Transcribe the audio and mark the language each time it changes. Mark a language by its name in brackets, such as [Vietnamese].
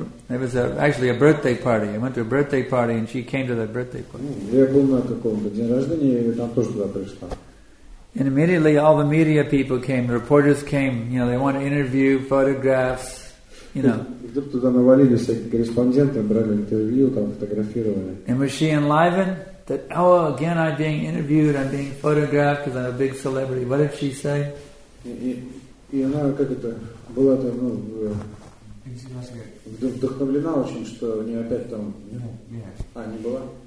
[English] I was actually a birthday party. I went to a birthday party and she came to that birthday party. [Russian] Я был на каком-то день рождения, и там тоже туда пришла. [English] And immediately all the media people came, the reporters came, you know, they want to interview, photographs, you know. [Russian] Вдруг туда навалили всякие корреспонденты, брали интервью, там фотографировали. [English] And was she enlivened? That, oh, again I'm being interviewed, I'm being photographed because I'm a big celebrity. What did she say? [Russian] И она как это, была там, ну, вдохновлена очень, что у нее опять там, не была.